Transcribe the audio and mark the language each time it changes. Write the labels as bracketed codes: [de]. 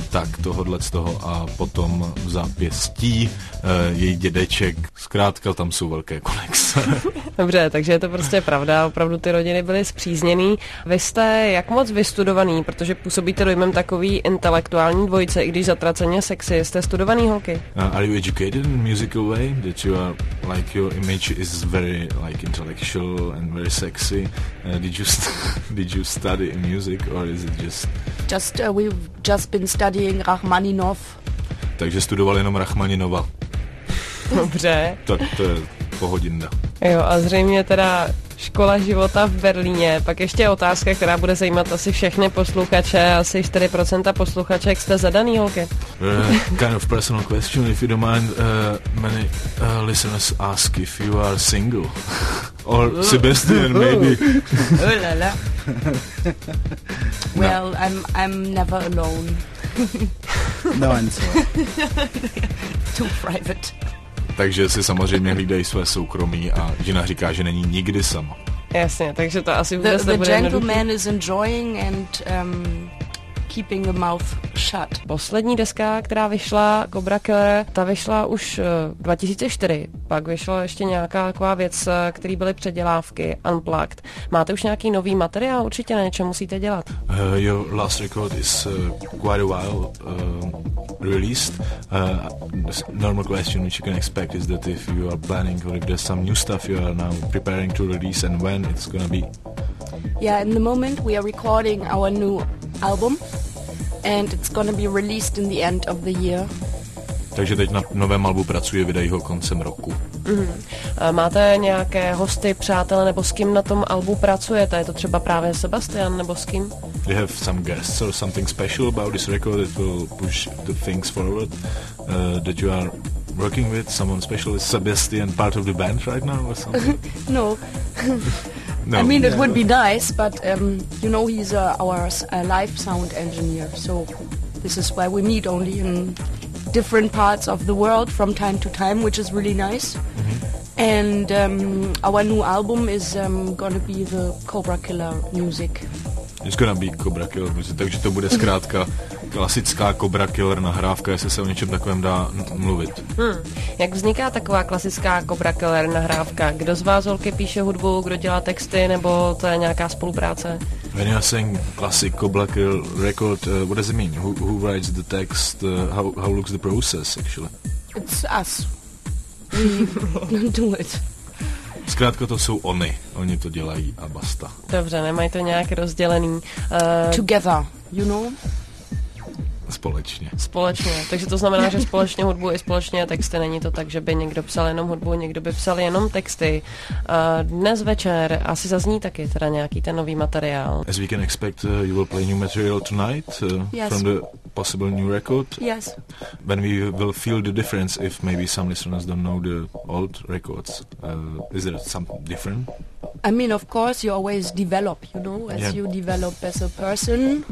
[cs] Tak tohodle z toho, a potom v zápěstí její dědeček. Zkrátka tam jsou velké konexe. Dobře, takže je to prostě pravda, opravdu ty rodiny byly spřízněný. Vy jste jak moc vystudovaný, protože působíte dojmem takový intelektuální dvojice, i když zatraceně sexy, jste studovaný holky? [en] Are you educated in a musical way? That you are, like, your image is very, like, intellectual and very sexy. Did you study in music, or is it just... We've just been studying Rachmaninov. [cs] Takže studoval jenom Rachmaninova. Dobře. Tak to je pohodinda. Jo, a zřejmě teda škola života v Berlíně. Pak ještě otázka, která bude zajímat asi všechny posluchače, asi 4% posluchaček. Jste zadaný, holky? [en] Kind of personal question, if you don't mind. Many listeners ask if you are single. Or Sebastian, maybe. Oh la la. Well, no. I'm never alone. No answer. Too private. [cs] Takže si samozřejmě hlídají své soukromí, a Gina říká, že není nikdy sama. Jasně, takže to asi vůbec nebude jednoduché. [en] The gentleman is enjoying and keeping the mouth shut. [cs] Poslední deska, která vyšla, Cobra Killer, ta vyšla už 2004. Pak vyšla ještě nějaká taková věc, který byly předělávky, Unplugged. Máte už nějaký nový materiál? Určitě na něčem musíte dělat. [en] Your last record is quite a while released. Normal question which you can expect is that if you are planning or if there's some new stuff you are now preparing to release and when it's gonna be. Yeah, in the moment we are recording our new album and it's gonna be released in the end of the year. [cs] Takže teď na novém albu pracuje, vydají ho koncem roku. Mm-hmm. Máte nějaké hosty, přátelé, nebo s kým na tom albu pracujete? Je to třeba právě Sebastian, nebo s kým? [en] We have some guests or something special about this record that will push the things forward that you are working with. Someone special, is Sebastian part of the band right now or something? No. No. I mean, it would be nice, but you know, he's our live sound engineer, so this is why we meet only in different parts of the world from time to time, which is really nice. Mm-hmm. And our new album is gonna be the Cobra Killer music. It's gonna be Cobra Killer music, [cs] takže to bude zkrátka klasická Cobra Killer nahrávka, jestli se o něčem takovém dá mluvit. Jak vzniká taková klasická Cobra Killer nahrávka? Kdo z vás, holky, píše hudbu, kdo dělá texty, nebo to je nějaká spolupráce? [en] When you're saying classic Cobra Killer record, what does it mean? Who writes the text? How looks the process, actually? It's us. We do it. [cs] Zkrátka to jsou oni. Oni to dělají a basta. Dobře, nemají to nějak rozdělený. [en] Together, you know? [cs] Společně. Společně. Takže to znamená, že společně hudbu i společně texty. Není to tak, že by někdo psal jenom hudbu, někdo by psal jenom texty. Dnes večer asi zazní taky teda nějaký ten nový materiál. [en] As we can expect, you will play new material tonight from the possible new record. Yes. When we will feel the difference, if maybe some listeners don't know the old records, is there something different? I mean, of course, you always develop, you know, as you develop as a person.